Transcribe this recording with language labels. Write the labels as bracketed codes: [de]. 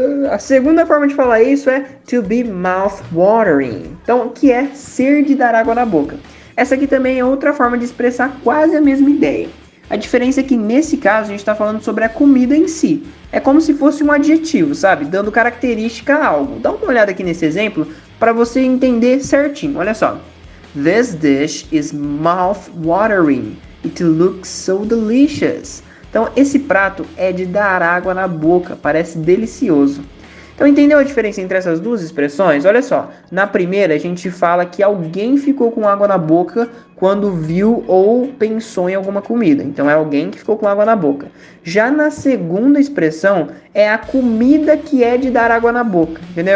[pt] A segunda forma de falar isso é [en] to be mouth-watering, [pt] então, que é ser de dar água na boca. Essa aqui também é outra forma de expressar quase a mesma ideia. A diferença é que nesse caso a gente está falando sobre a comida em si. É como se fosse um adjetivo, sabe? Dando característica a algo. Dá uma olhada aqui nesse exemplo para você entender certinho. Olha só. [en] This dish is mouth-watering. It looks so delicious. [pt] Então esse prato é de dar água na boca, parece delicioso. Então entendeu a diferença entre essas duas expressões? Olha só, na primeira a gente fala que alguém ficou com água na boca quando viu ou pensou em alguma comida. Então é alguém que ficou com água na boca. Já na segunda expressão é a comida que é de dar água na boca. Entendeu?